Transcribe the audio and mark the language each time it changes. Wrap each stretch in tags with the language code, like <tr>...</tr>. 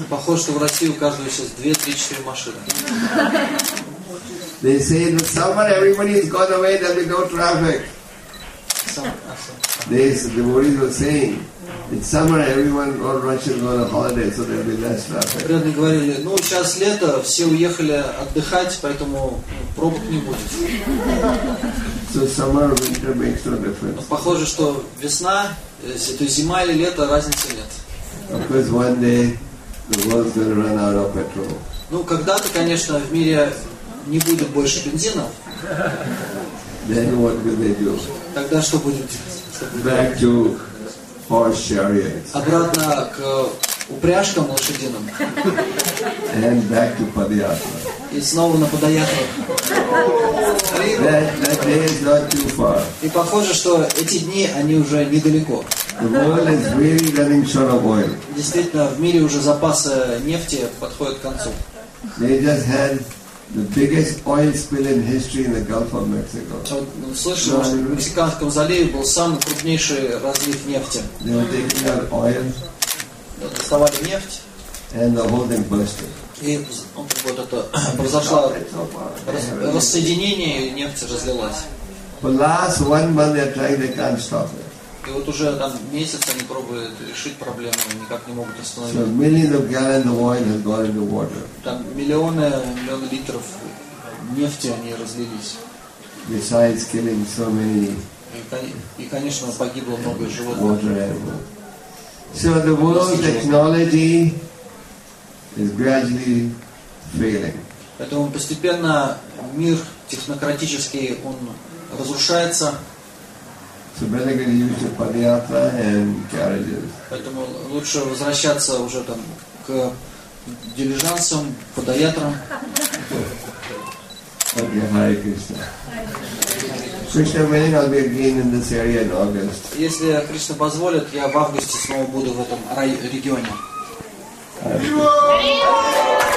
<ru>Похоже, что в России у каждого сейчас 2, 3, 4 машины.</ru> <en>They say that summer everybody has gone away, there'll be no traffic. The devotees were saying. It's summer, everyone all Russians go on a holiday, so there'll be less traffic.</en> <ru>Преданные говорили, ну сейчас лето, все уехали отдыхать, поэтому пробок не будет.</ru> <en>So summer or winter makes no difference.</en> <ru>Похоже, что весна, то есть зима или лето, разницы нет.</ru> <en>Of course, one day the world's gonna run out of petrol.</en> <ru>Ну когда-то, конечно, в мире не будет больше бензина.</ru> <en>Then what will they do?</en> <ru>Тогда что будем делать?</ru> <en>Back to horse chariots.</en> <ru>Обратно к упряжкам лошадиным.</ru> <en>And back to Padayatra.</en> <ru>И снова на Падаятру.</ru> <en>That day is not too far.</en> <ru>И похоже, что эти дни, они уже недалеко.</ru> <en>The world is really running short of oil.</en> <ru>Действительно, в мире уже запасы нефти подходят к концу.</ru> <en>They just had the biggest oil spill in history in the Gulf of Mexico.</en> <ru>Слышал, что в Мексиканском заливе был самый крупнейший разлив нефти.</ru> <en>They were taking out oil.</en> <ru>Доставали нефть.</ru> <en>And the holding busted.</en> <ru>И вот это произошло рассоединение, и нефть разлилась.</ru> <en>For last 1 month they're trying, they can't stop it.</en> <ru>И вот уже там месяц они пробуют решить проблему, никак не могут остановить.</ru> <en>So millions of gallons of oil have gone into water.</en> <ru>Там миллионы литров нефти они разлились.</ru> <en>Besides killing so many.</en> <ru>И конечно погибло много животных.</ru> <en>So the world's technology is gradually failing.</en> <ru>Поэтому постепенно мир технократический он разрушается.</ru> <en>So better get used to Padayatra and carriages.</en> <ru>Поэтому лучше возвращаться уже там к дилижансам, Падаятрам.</ru> <en>Okay, Hare Krishna. Krishna willing, I'll be again in this area in August.</en> <ru>Если Кришна позволит, я в августе снова буду в этом регионе.</ru>